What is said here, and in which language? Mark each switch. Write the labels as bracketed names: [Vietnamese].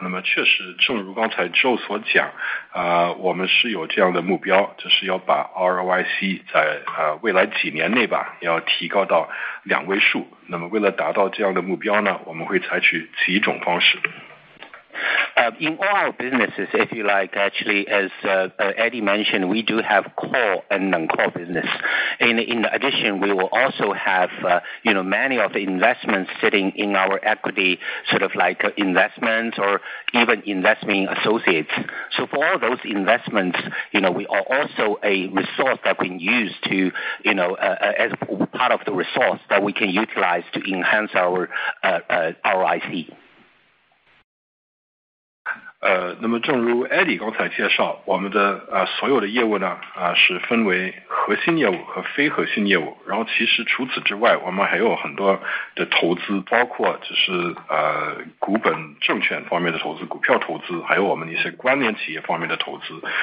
[Chinese] 那么确实正如刚才 Joe 所讲，我们是有这样的目标，就是要把 ROIC 在未来几年内吧，要提高到两位数。那么为了达到这样的目标呢，我们会采取几种方式。 [English] In all our businesses, if you like, actually, as Eddie mentioned, we do have core and non-core business. In addition, we will also have, many of the investments sitting in our equity, sort of like investments or even investment associates. So for all those investments, we are also a resource that we can use to, as part of the resource that we can utilize to enhance our ROIC. [Chinese] 那么正如 Eddie 刚才介绍，我们的所有的业务呢，是分为核心业务和非核心业务。然后其实除此之外，我们还有很多的投资，包括就是股本证券方面的投资、股票投资，还有我们一些关联企业方面的投资。